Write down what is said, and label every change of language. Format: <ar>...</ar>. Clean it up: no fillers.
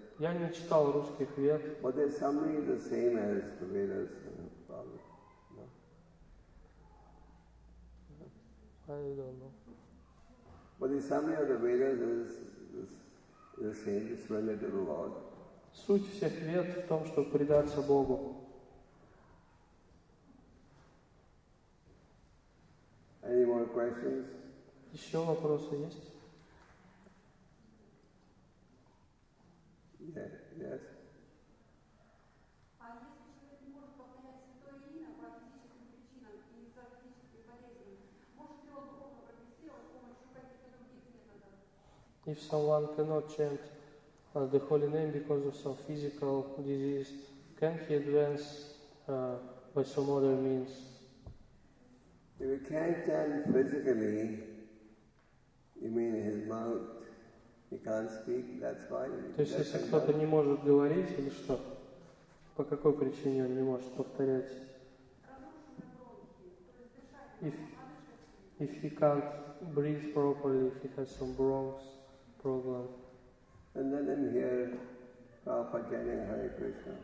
<ru>Я не читал русских вед.</ru> <en>But there's something the same as the Vedas, probably. No. I don't know. But the summary of the Vedas is the same, it's related to the Lord.</en> <ru>Суть всех вед в том, чтобы предаться Богу.</ru> <en>Any more questions?</en> <ru>Еще вопросы есть?</ru> <en>Yes. If someone cannot chant the holy name because of some physical disease, can he advance by some other means? If he can't chant physically, you mean his mouth, he can't speak, that's why.</en> <ru>То есть если кто-то не может говорить или что, по какой причине он не может повторять?</ru> <en>If he can't breathe properly, if he has some bronchs. Problem. And then in here, Prabhupada chanting Hare Krishna.</en>